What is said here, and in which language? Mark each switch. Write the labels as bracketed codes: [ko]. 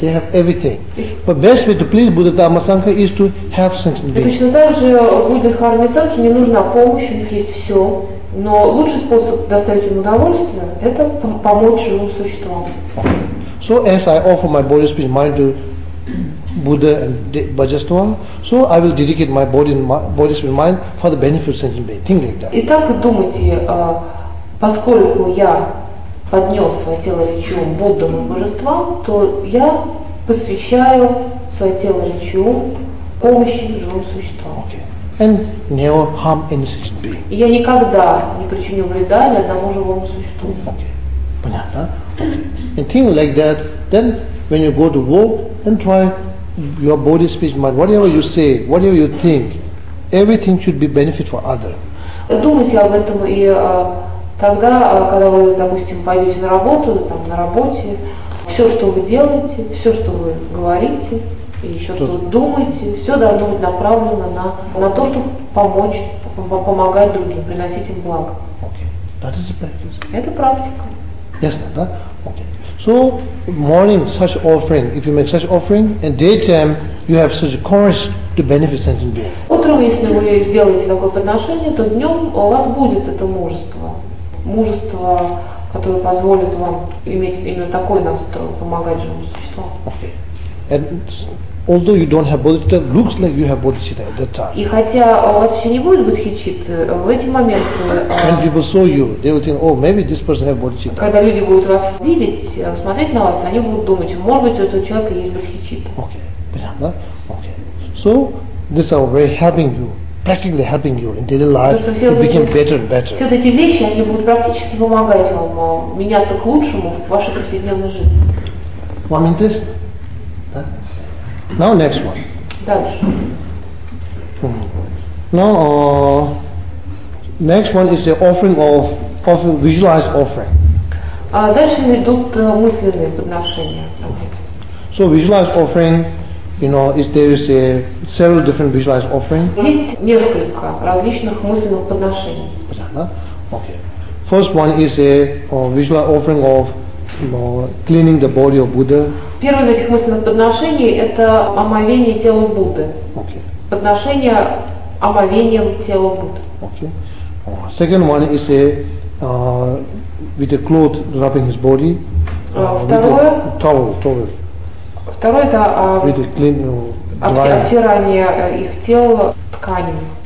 [en] They have everything. But best way to please Buddha, Dhamma, Sangha is to help sentient beings. [ru] Точно так же Будда, Дхарма и Сангха, не нужна помощь, у них есть все. Но лучший способ доставить им удовольствие – это помочь живым существам. [en] So as I offer my body, speech, mind to Buddha and Bodhisattva, so I will dedicate my body, speech, mind for the benefit of sentient beings. Think like that. [ru] Итак, думайте, поскольку я поднес свое тело речи ум Буддам и Божествам, то я посвящаю свое тело речи ум помощи живым существам. [en] Okay. And never harm any sentient being. [ru] Я никогда не причиню вреда ни одному живому существу. Okay. Понятно? [en] And think like that, then when you go to work, then try your body, speech, mind, whatever you say, whatever you think, everything should be benefit for other. [ru] Думайте об этом и тогда, когда вы, допустим, пойдете на работу, там на работе, все, что вы делаете, все, что вы говорите, и еще что думаете, все должно быть направлено на то, чтобы помогать другим, приносить им благо. [en] Okay. That is the practice. [ru] Это практика. [en] Yes, that, huh? Okay. So morning such offering, if you make such offering, and daytime you have such courage to benefit sentient beings. [ru] Утром, если вы сделаете такое подношение, то днем у вас будет это мужество. Мужество, которое позволит вам иметь именно такой настрой, помогать живому существу. [en] Okay. And although you don't have bodhicitta, looks like you have bodhicitta at that time. [ru] И хотя у вас еще не будет бодхичитты, в эти моменты... [en] When people saw you, they would think, oh, maybe this person has bodhicitta. [ru] Когда люди будут вас видеть, смотреть на вас, они будут думать, может быть, у этого человека есть бодхичитта. [en] Okay. Понятно? Okay. So, this are very helping you, practically helping you in daily life to become better and better. [ru] Все эти вещи, они будут практически помогать вам меняться к лучшему в вашей повседневной жизни. Вам интересно? [en] Now next one. [ru] Дальше. [en] Now next one is the offering of visualized offering. [ru] Дальше идут мысленные подношения. [en] So visualized offering, there is several different visualized offerings. [ru] Есть несколько различных мысленных подношений. [en] Okay. First one is a visual offering of cleaning the body of Buddha. [ru] Первое из этих мысленных подношений – это омовение тела Будды. [en] Okay. [ru] Подношение омовением тела Будды. [en] Okay. Second one is with a cloth wrapping his body. [ru] Второе. [en] Towel. [ru] Второе – это [en] with a clean, [ru] обтирание их тела тканями.